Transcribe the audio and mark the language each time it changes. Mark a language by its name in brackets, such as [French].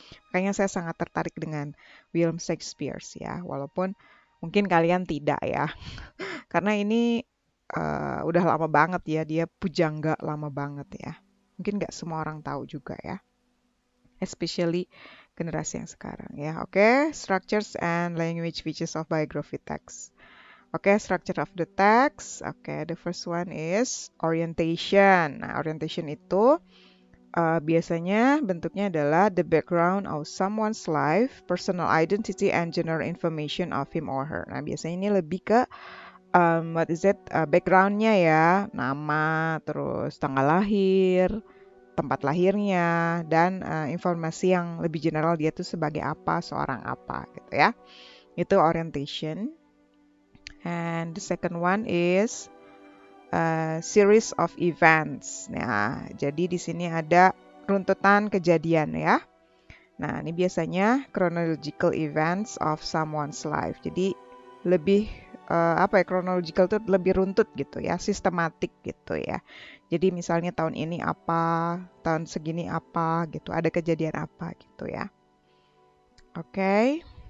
[Indonesian] Makanya saya sangat tertarik dengan William Shakespeare ya, walaupun mungkin kalian tidak ya, karena ini udah lama banget ya, dia pujangga lama banget ya. mungkin nggak semua orang tahu juga ya, especially generasi yang sekarang ya. [English] Okay, structures and language features of biography text. Okay, structure of the text. Okay, the first one is orientation. [Indonesian] Nah, orientation itu biasanya bentuknya adalah [English] the background of someone's life, personal identity, and general information of him or her. [Indonesian] Nah, biasanya ini lebih ke [English] what is it? [Indonesian] Backgroundnya ya, nama, terus tanggal lahir, tempat lahirnya, dan informasi yang lebih general dia tuh sebagai apa, seorang apa, gitu ya. Itu orientation. [English] And the second one is series of events. [Indonesian] Nah, jadi di sini ada runtutan kejadian ya. Nah, ini biasanya [English] chronological events of someone's life. [Indonesian] Jadi lebih apa ya, chronological itu lebih runtut gitu ya, sistematik gitu ya. Jadi misalnya tahun ini apa, tahun segini apa gitu, ada kejadian apa gitu ya. Okay.